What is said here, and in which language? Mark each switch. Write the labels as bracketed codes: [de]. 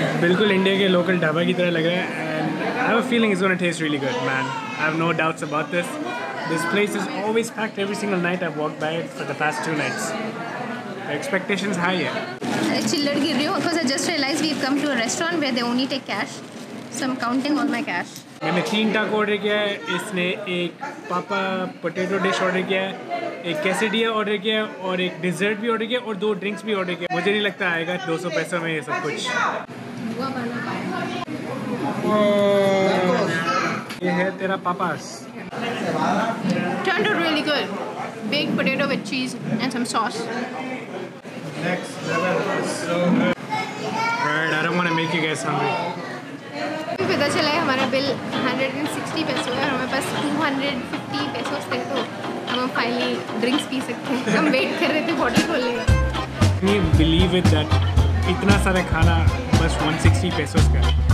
[hi] Bilkul India ke local dhaba ki tarah lag raha hai, [en] and I have a feeling it's gonna taste really good, man. I have no doubts about this. This place is always packed every single night I've walked by it for the past two nights. The expectations high [hi] hai. Chiller gir rahi hu, [en] because I just realized we've come to a restaurant where they only take cash, so I'm counting all my cash. [hi] मैंने तीन टाको order किया है, इसने एक पापा potato dish order किया है, एक कैसेडिया ऑर्डर किया है और एक डिजर्ट भी ऑर्डर किया और दो ड्रिंक्स भी ऑर्डर किया. मुझे नहीं लगता आएगा 200 पैसों में ये सब कुछ. ये है तेरा papa's. [en] Turned out really good. Big potato with cheese and some sauce. Next level. So good. Right, I don't want to make you guys hungry. [hi] पता चला है हमारा बिल 160 पैसों है और हमारे पास 250 पैसों थे, तो हम फाइनली ड्रिंक्स पी सकते हैं. हम वेट कर रहे थे बॉटल खोलने का. नहीं बिलीव इट दैट इतना सारा खाना बस 160 पैसों का.